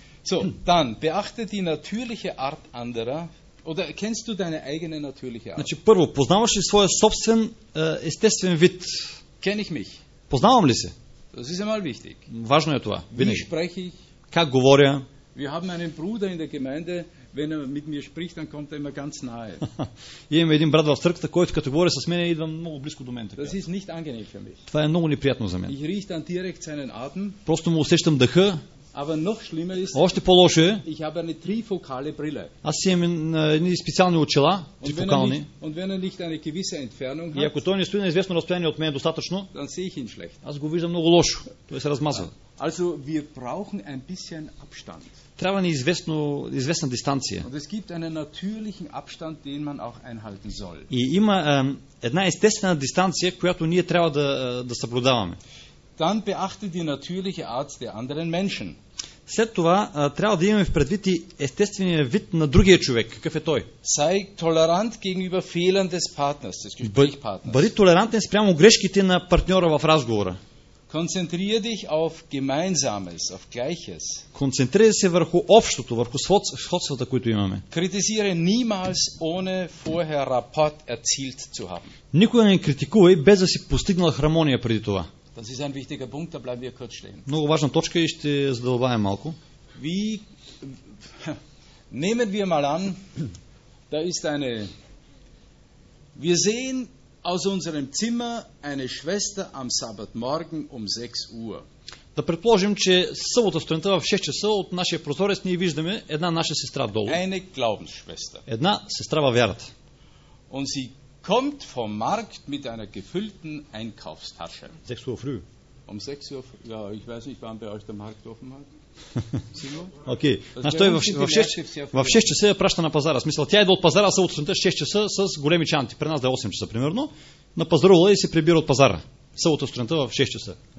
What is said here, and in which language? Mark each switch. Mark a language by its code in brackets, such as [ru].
[de] So, dann beachte die natürliche Art anderer oder kennst du deine eigene natürliche Art? [bg] Значи, първо, познаваш ли своя собствен естествен вид? [de] Kenn ich mich? [bg] Познавам ли се? [de] Das ist einmal wichtig. [bg] Важно е това. [de] Wie spreche ich? [bg] Как говоря? [de] Wir haben einen Bruder in der Gemeinde, wenn er mit mir spricht, dann kommt er immer ganz nahe. [bg] Имаме един брат в църквата, който като говори с мен, идва много близко до мен. Така. [de] Das ist nicht angenehm für mich. [bg] Това е много неприятно за мен. [de] Ich rieche dann direkt seinen Atem. [bg] Просто му усещам дъха. [de] Aber noch schlimmer ist, [bg] още по-лошо е, [de] ich habe eine trifokale Brille. [bg] Аз имам едни специални очила, трифокални. [de] Und wenn er nicht eine gewisse Entfernung hat, [bg] и ако той не стои на известно разстояние от мен достатъчно, [de] dann sehe ich ihn schlecht. [bg] Аз го виждам много лошо, той се размазва. [de] Also, wir brauchen ein bisschen Abstand. [bg] Трябва ни известна дистанция. [de] Und es gibt einen natürlichen Abstand, den man auch einhalten soll. [bg] И има една естествена дистанция, която ние трябва да съблюдаваме. [de] Dann beachte die natürliche Art der anderen Menschen. [bg] След това трябва да имаме в предвид и естествения вид на другия човек. Какъв е той? [de] Sei tolerant gegenüber Fehlern des Partners, des Gesprächspartners. [bg] Бъди толерантен спрямо грешките на партньора в разговора. [de] Konzentriere dich auf Gemeinsames, auf Gleiches. [bg] Концентрирай се върху общото, върху сходствата, които имаме. [de] Kritisiere niemals ohne vorher Rapport erzielt zu haben. [bg] Никога не критикувай без да си постигнал хармония преди това. [de] Das ist ein wichtiger Punkt, da bleiben wir kurz stehen. [bg] Много важна точка и ще задълбаем малко. [de] Nehmen wir mal an, da ist eine, wir sehen aus unserem Zimmer eine Schwester am Sabbatmorgen um 6 Uhr. [bg] Да предположим, че събота студента в 6 часа от нашия прозорец ние виждаме една наша сестра долу. [de] Eine Glaubensschwester. [bg] Една сестра във вярата. [de] Und sie kommt vom Markt mit einer gefüllten Einkaufstasche. 6 Uhr früh. Um 6 Uhr früh. Ja, ich weiß nicht, wann bei euch der Markt offen hat. [bg] Окей. Значи той в 6 часа я праща на пазара. Смисъл, тя идва от пазара в сутринта 6 часа с големи чанти. При нас да е 8 часа, примерно. На пазарула и се прибира от пазара. Събота сутринта в 6 часа.